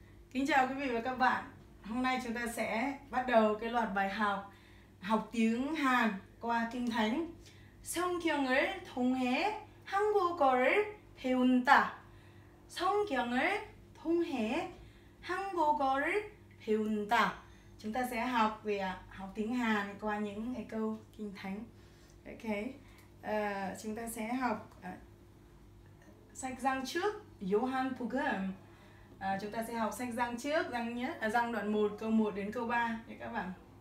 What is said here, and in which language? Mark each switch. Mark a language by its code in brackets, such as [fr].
[vi] Kính chào quý vị và các bạn. Hôm nay chúng ta sẽ bắt đầu cái loạt bài học học tiếng Hàn qua Kinh Thánh. [ko] 성경을 통해 한국어를 배운다. 성경을 통해 한국어를 배운다. [vi] Chúng ta sẽ học về học tiếng Hàn qua những cái câu Kinh Thánh. Ok. Chúng ta sẽ học sách răng trước, Johann Pugum. Chúng ta sẽ học sách răng trước, răng nhất, răng đoạn 1, câu 1 đến câu 3 nhé các bạn.